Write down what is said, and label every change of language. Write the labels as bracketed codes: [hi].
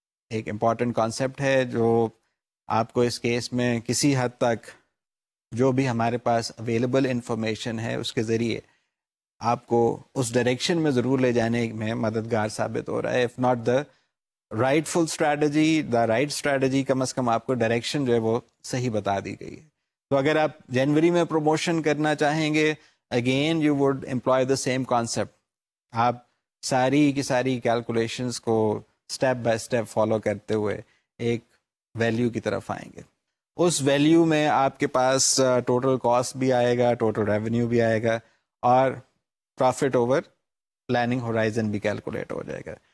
[ur] ایک important concept ہے جو آپ کو اس کیس میں کسی حد تک جو بھی ہمارے پاس اویلیبل انفارمیشن ہے اس کے ذریعے آپ کو اس ڈائریکشن میں ضرور لے جانے میں مددگار ثابت ہو رہا ہے. [en] if not the rightful strategy the right strategy, [ur] کم از کم آپ کو ڈائریکشن جو ہے وہ صحیح بتا دی گئی ہے. تو اگر آپ جنوری میں پروموشن کرنا چاہیں گے [en] Again you would employ the same concept. [ur] آپ ساری کی ساری کیلکولیشنز کو اسٹیپ بائی اسٹیپ فالو کرتے ہوئے ایک ویلیو کی طرف آئیں گے. اس ویلیو میں آپ کے پاس ٹوٹل کاسٹ بھی آئے گا, ٹوٹل ریونیو بھی آئے گا اور پروفٹ اوور پلاننگ ہورائزن بھی کیلکولیٹ ہو جائے گا.